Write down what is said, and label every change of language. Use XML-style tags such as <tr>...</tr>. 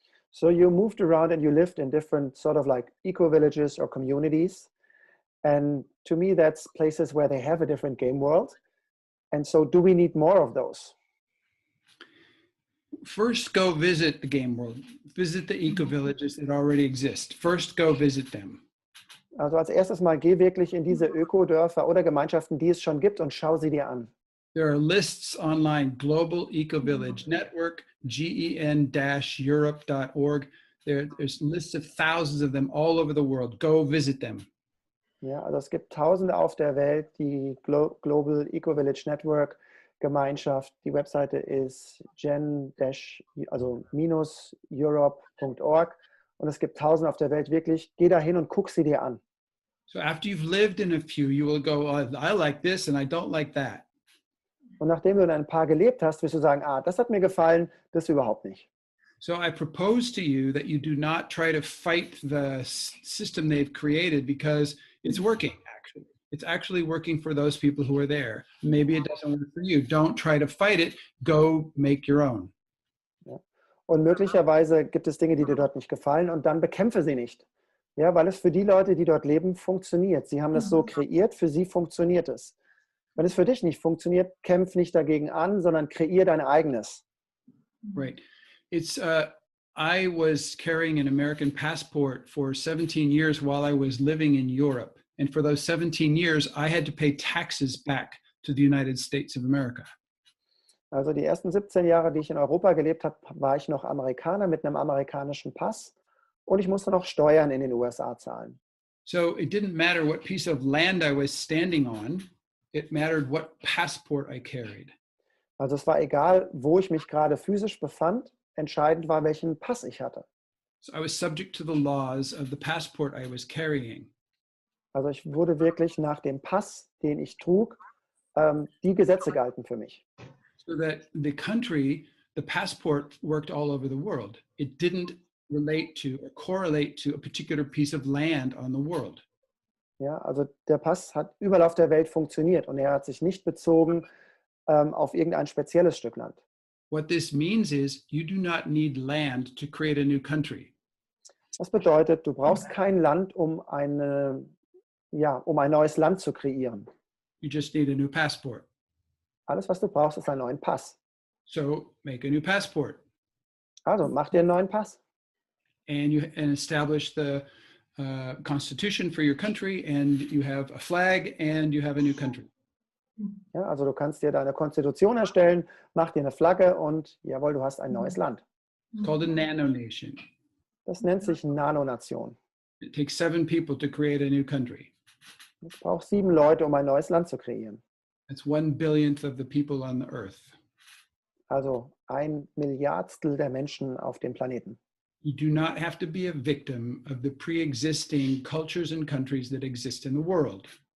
<en>So you moved around and you lived in different sort of like eco-villages or communities, and to me that's places where they have a different game world, and so do we need more of those? First go visit the game world, visit the eco-villages that already exist, first go visit them.</en> <de>Also als erstes mal geh wirklich in diese Ökodörfer oder Gemeinschaften, die es schon gibt und schau sie dir an.</de> <en>There are lists online, Global Eco Village Network, GEN-Europe.org. There's lists of thousands of them all over the world. Go visit them.</en> <de>Ja, also es gibt tausende auf der Welt, die Global Eco Village Network Gemeinschaft. Die Webseite ist gen-europe.org und es gibt Tausende auf der Welt, wirklich, geh da hin und guck sie dir an.</de> <en>So after you've lived in a few, you will go, oh, I like this and I don't like that.</en> <de>Und nachdem du in ein paar gelebt hast, wirst du sagen, ah, das hat mir gefallen, das überhaupt nicht.</de> <en>So I propose to you that you do not try to fight the system they've created, because it's working. It's actually working for those people who are there. Maybe it doesn't work for you. Don't try to fight it. Go make your own.</en> <de>Ja. Und möglicherweise gibt es Dinge, die dir dort nicht gefallen, und dann bekämpfe sie nicht. Ja, weil es für die Leute, die dort leben, funktioniert. Sie haben das so kreiert, für sie funktioniert es. Wenn es für dich nicht funktioniert, kämpf nicht dagegen an, sondern kreier dein eigenes.</de> <en>Right. It's I was carrying an American passport for 17 years while I was living in Europe. And for those 17 years, I had to pay taxes back to the United States of America.</en> <de>Also die ersten 17 Jahre, die ich in Europa gelebt habe, war ich noch Amerikaner mit einem amerikanischen Pass, und ich musste noch Steuern in den USA zahlen.</de> <en>So it didn't matter what piece of land I was standing on, it mattered what passport I carried.</en> <de>Also es war egal, wo ich mich gerade physisch befand, entscheidend war, welchen Pass ich hatte.</de> <en>So I was subject to the laws of the passport I was carrying.</en> <de>Also ich wurde wirklich nach dem Pass, den ich trug, die Gesetze galten für mich.</de> <en>So that the country, the passport worked all over the world. It didn't relate to or correlate to a particular piece of land on the world.</en> <de>Ja, also der Pass hat überall auf der Welt funktioniert, und er hat sich nicht bezogen auf irgendein spezielles Stück Land.</de> <en>What this means is, you do not need land to create a new country.</en> <de>Das bedeutet, du brauchst kein Land, um eine, ja, um ein neues Land zu kreieren.</de> <en>You just need a new passport.</en> <de>Alles, was du brauchst, ist einen neuen Pass.</de> <en>So make a new passport.</en> <de>Also mach dir einen neuen Pass.</de> <en>And establish the constitution for your country, and you have a flag, and you have a new country.</en> <de>Ja, also du kannst dir deine Konstitution erstellen, mach dir eine Flagge, und jawohl, du hast ein neues Land.</de> <en>It's called a nano-nation.</en> <de>Das nennt sich Nano-Nation.</de> <en>It takes 7 people to create a new country.</en> <de>Es braucht 7 Leute, um ein neues Land zu kreieren.</de> <en>It's 1/1000th of the people on the earth.</en> <de>Also 1/1000000 der Menschen auf dem Planeten.</de> <en>You do not have to be a victim of the pre-existing cultures and countries that exist in the world.</en>